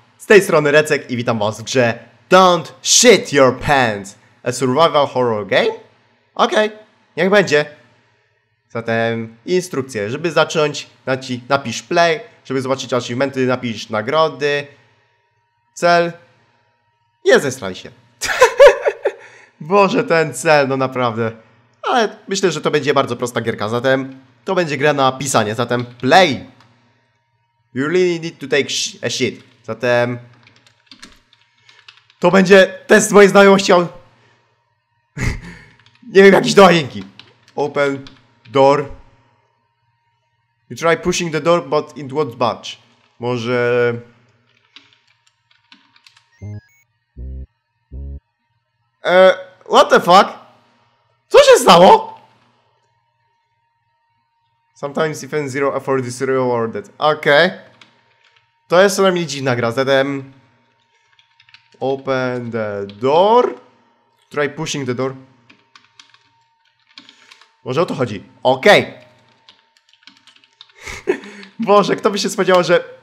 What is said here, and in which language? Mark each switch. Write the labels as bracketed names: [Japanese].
[Polish] Z tej strony Recek i witam was w grze Don't Shit Your Pants! [English] A survival horror game? [Polish] Okej, niech będzie. Zatem instrukcje, żeby zacząć, napisz play, żeby zobaczyć achievementy, napisz nagrody, cel. Nie zestraj się. Boże, ten cel, no naprawdę. Ale myślę, że to będzie bardzo prosta gierka, zatem to będzie gra na pisanie, zatem play! [English] You really need to take a shit. [Polish] Zatem... to będzie test mojej znajomości. Nie wiem, jakieś dojenki. [English] Open door. You try pushing the door, but it won't budge. [Polish] Może... [English] what the fuck? [Polish] Co się stało? [English] Sometimes even zero effort is rewarded. Okej. Okay. [Polish] To jest co najmniej dziwna gra, zatem... [English] open the door... try pushing the door... [Polish] może o to chodzi? Okej! Okay. Boże, kto by się spodziewał, że...